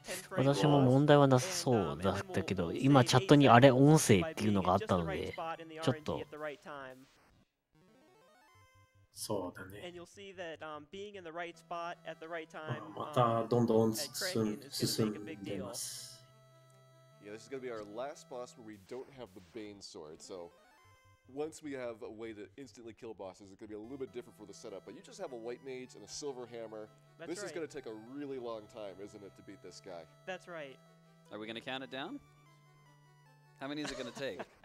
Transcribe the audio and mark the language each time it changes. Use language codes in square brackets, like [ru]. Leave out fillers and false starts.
[ja] 私も問題はなさそうだったけど、今チャットにあれ音声っていうのがあったので、ちょっと。そうだね。 [en] And you'll see that being in the right spot at the right time. [ja] またどんどん進んでます。 [en] Yeah, this is going to be our last boss where we don't have the Bane Sword, so Once we have a way to instantly kill bosses, it's going to be a little bit different for the setup. But you just have a white mage and a silver hammer. That's this right. is going to take a really long time, isn't it, to beat this guy? That's right. Are we going to count it down? How many is it going to take?